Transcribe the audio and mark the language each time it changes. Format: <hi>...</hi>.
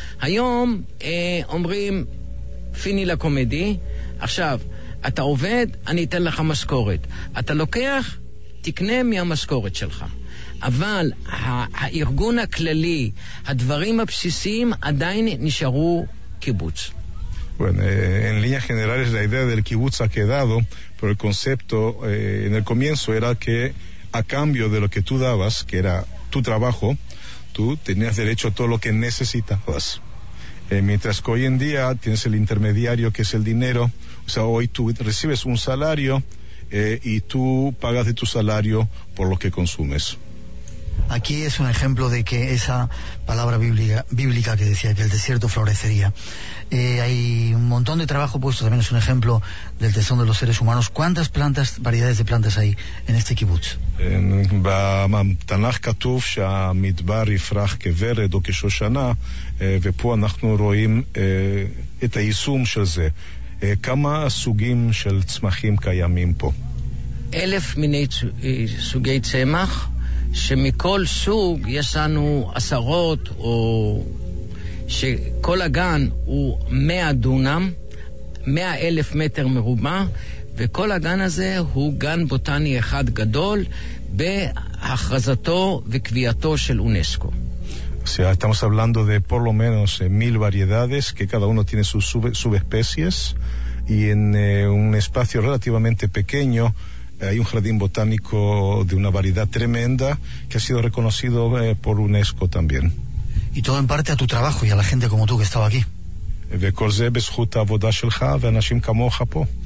<he>היום אומרים, פיני לקומדי, עכשיו, אתה עובד, אני אתן לך משכורת. אתה לוקח, תקנה מהמשכורת שלך. אבל הארגון הכללי, הדברים הבסיסיים עדיין נשארו קיבוץ.</he> <es>Bueno, en líneas generales, la idea del kibutz ha quedado, pero el concepto en el comienzo era que a cambio de lo que tú dabas, que era tu trabajo, tú tenías derecho a todo lo que necesitabas. Mientras que hoy en día tienes el intermediario, que es el dinero. O sea, hoy tú recibes un salario y tú pagas de tu salario por lo que consumes. Aquí es un ejemplo de que esa palabra bíblica que decía que el desierto florecería. Hay un montón de trabajo puesto, también es un ejemplo del tesón de los seres humanos. ¿Cuántas plantas, variedades de plantas hay en este kibutz?</es> <he>בתנ"ך כתוב שהמדבר יפרח כוורד או כשושנה, ופה אנחנו רואים את היישום של זה. כמה סוגים של צמחים קיימים פה? 1,000 מיני סוגי צמח, שמכל סוג יש לנו עשרות, או שכל הגן הוא 100 דונם, 100,000 מטר מרובע, וכל הגן הזה הוא גן בוטני אחד גדול בהכרזתו וקביעתו של אונסקו.</he> <es>Estamos hablando de por lo menos 1,000 variedades, que cada uno tiene sus subespecies, y en un espacio relativamente pequeño hay un jardín botánico de una variedad tremenda que ha sido reconocido por UNESCO también. Y todo en parte a tu trabajo y a la gente como tú que estaba aquí.</es> <he>וכל זה בזכות העבודה שלך ואנשים כמוך פה.</he>